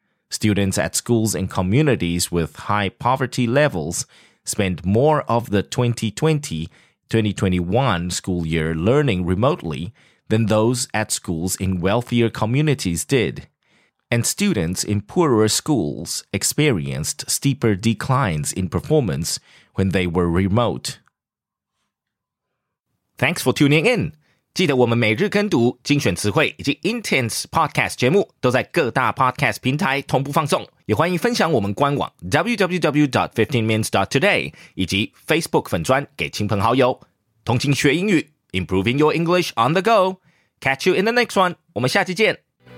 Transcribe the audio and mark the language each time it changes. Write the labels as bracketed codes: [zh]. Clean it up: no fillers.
[en] Students at schools and communities with high poverty levels spent more of the 2020-2021 school year learning remotely than those at schools in wealthier communities did, and students in poorer schools experienced steeper declines in performance when they were remote. Thanks for tuning in. [zh] 记得我们每日跟读精选词汇以及 Intense Podcast 节目都在各大 Podcast 平台同步放送，也欢迎分享我们官网 www.15minutes.today 以及 Facebook 粉专给亲朋好友。同情学英语 [en] Improving your English on the go. Catch you in the next one. [zh] 我们下期见。